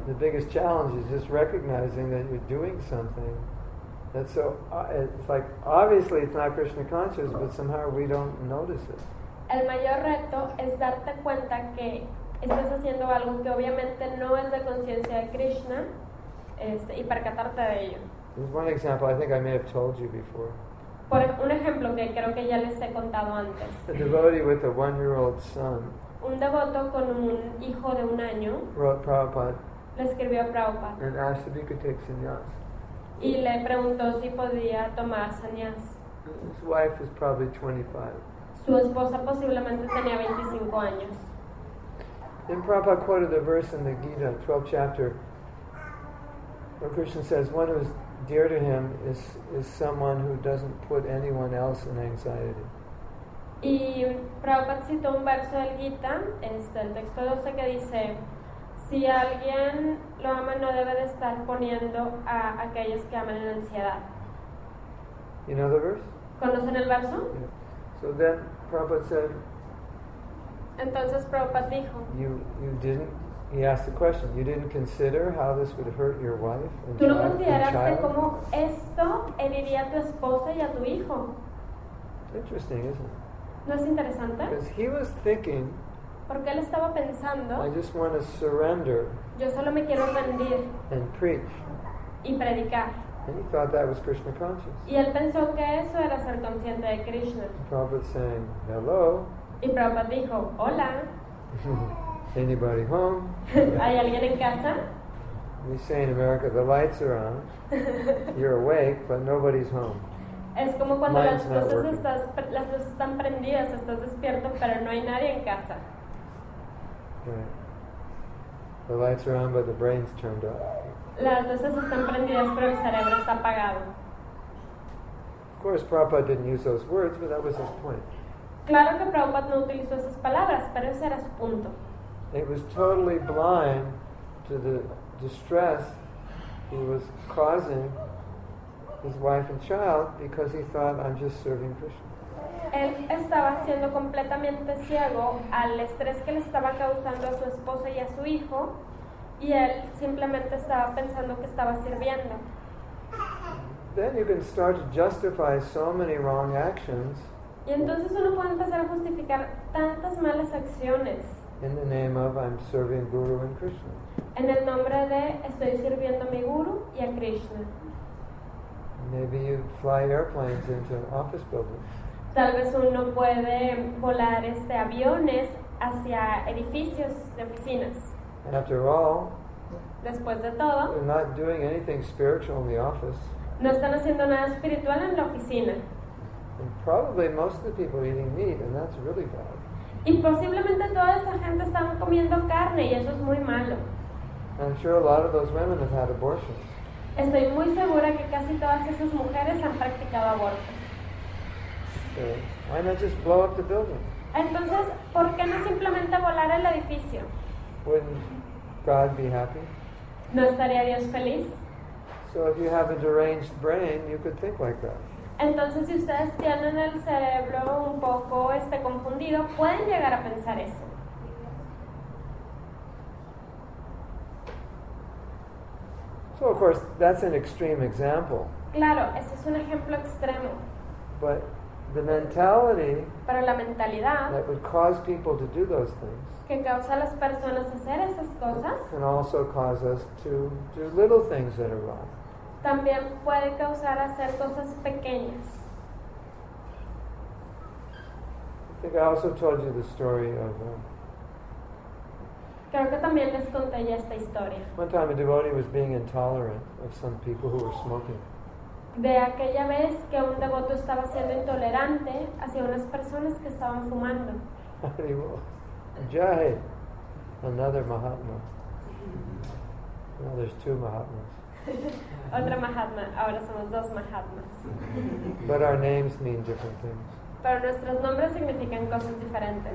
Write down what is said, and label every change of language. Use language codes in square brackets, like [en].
[en] the biggest challenge is just recognizing that you're doing something. And so it's like obviously it's not Krishna conscious, but somehow we don't notice it. [es] El mayor reto es darte cuenta que estás haciendo algo que obviamente no es de conciencia de Krishna, y percatarte de ello. [en] There's one example I think I may have told you before. [es] Por un ejemplo que creo que ya les he contado antes. [en] A devotee with a one-year-old son. [es] Un devoto con un hijo de un año. [en] Wrote Prabhupada. [es] Le escribió a Prabhupada. [en] And asked if he could take sannyas. [es] Y le preguntó si podía tomar sannyas. [en] His wife was probably 25. [es] Su esposa posiblemente tenía 25 años. [en] Then Prabhupada quoted a verse in the Gita, 12th chapter, where Krishna says, one who is dear to him is someone who doesn't put anyone else in anxiety. [es] Y Prabhupada citó un verso del Gita, el texto 12, que dice, si alguien lo ama, no debe de estar poniendo a aquellos que aman en ansiedad. [en] You know the verse? [es] ¿Conocen el verso? [en] Yeah. So then Prabhupada said, [es] entonces Prabhupada dijo, [en] he asked the question, you didn't consider how this would hurt your wife and child? [es] ¿Tú no consideraste cómo esto heriría a tu esposa y a tu hijo? [en] Interesting, isn't it? [es] ¿No es interesante? [en] Because he was thinking, [es] porque él estaba pensando, [en] I just want to surrender, [es] yo solo me quiero rendir, [en] and preach, [es] y predicar. [en] And he thought that was Krishna conscious. [es] Y él pensó que eso era ser consciente de Krishna. [en] And Prabhupada saying, hello. [es] Y Prabhupada dijo, hola. [en] Anybody home? [es] ¿Hay alguien en casa? [en] We say in America, the lights are on. You're awake, but nobody's home. [es] Es como cuando las luces están prendidas, estás despierto, pero no hay nadie en casa. [en] Right. The lights are on, but the brain's turned off. [es] Las luces están prendidas, pero el cerebro está apagado. [en] Of course, Prabhupada didn't use those words, but that was his point. [es] Claro que Prabhupada no utilizó esas palabras, pero ese era su punto. [en] It was totally blind to the distress he was causing his wife and child because he thought, I'm just serving Krishna. [es] Él estaba siendo completamente ciego al estrés que le estaba causando a su esposa y a su hijo, y él simplemente estaba pensando que estaba sirviendo. [en] Then you can start to justify so many wrong actions. [es] Y entonces uno puede empezar a justificar tantas malas acciones. [en] In the name of, I'm serving Guru and Krishna. [es] En el nombre de, estoy sirviendo a mi Guru y a Krishna. [en] Maybe you fly airplanes into office buildings. [es] Tal vez uno puede volar aviones hacia edificios de oficinas. [en] After all, [es] después de todo, [en] they're not doing anything spiritual in the office. [es] No están haciendo nada espiritual en la oficina. [en] And probably most of the people are eating meat, and that's really bad. [es] Y posiblemente toda esa gente está comiendo carne, y eso es muy malo. [en] I'm sure a lot of those women have had abortions. [es] Estoy muy segura que casi todas esas mujeres han practicado abortos. [en] So, why not just blow up the building? [es] Entonces, ¿por qué no simplemente volar el edificio? [en] Wouldn't God be happy? [es] ¿No estaría Dios feliz? [en] So if you have a deranged brain, you could think like that. [es] Entonces, si ustedes tienen el cerebro un poco confundido, pueden llegar a pensar eso. [en] So of course, that's an extreme example. [es] Claro, ese es un ejemplo extremo. [en] But the mentality, [es] pero la mentalidad, [en] that would cause people to do those things, [es] que causa a las personas hacer esas cosas, [en] can also cause us to do little things that are wrong. [es] También puede causar hacer cosas pequeñas. [en] I think I also told you the story of [es] creo que también les conté ya esta historia. [en] One time a devotee was being intolerant of some people who were smoking. [es] De aquella vez que un devoto estaba siendo intolerante hacia unas personas que estaban fumando. [en] Jai, another Mahatma. Now there's two Mahatmas. [es] Otra Mahatma, ahora somos dos Mahatmas. [en] But our names mean different things. [es] Pero nuestros nombres significan cosas diferentes.